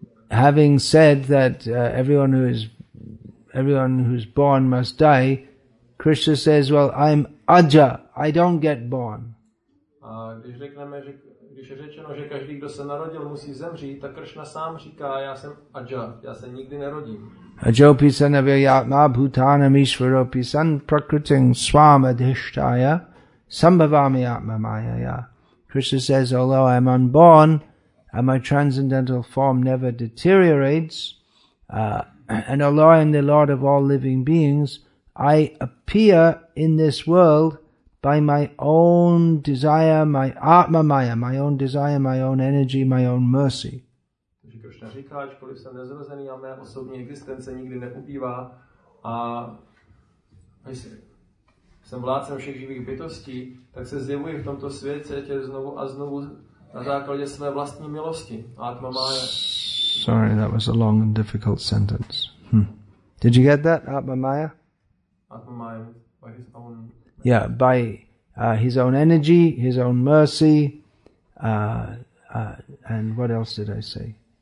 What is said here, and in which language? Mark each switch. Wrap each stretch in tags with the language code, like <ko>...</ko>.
<en>Having said that everyone who's born must die, Krishna says, well, I'm Aja, I don't get born.</en> <cs>A když řekneme, že když je řečeno, že každý, kdo se narodil, musí zemřít, tak Krishna sám říká, já jsem Aja, já se nikdy nerodím.</cs> <sa>Ajopi sanavyatma bhutanam ishvaropi san prakritin swam adhishtaya sambhavami atma mayaya.</sa> <en>Krishna says, although I am unborn and my transcendental form never deteriorates, and although I am the Lord of all living beings, I appear in this world by my own desire, my atma maya, my own desire, my own energy, my own mercy.</en> <cs>Krishna říká, ačkoliv jsem nezrozený a mé osobní existence nikdy neubývá a jsem vládcem všech živých bytostí, tak se zjevuji v tomto světě znovu a znovu na základě své vlastní milosti.</cs> <sa>Atma maya.</sa> <en>Sorry, that was a long and difficult sentence. Did you get that? Atma maya? Atma maya, by his own... Yeah, by his own energy, his own mercy, and what else did I say?</en>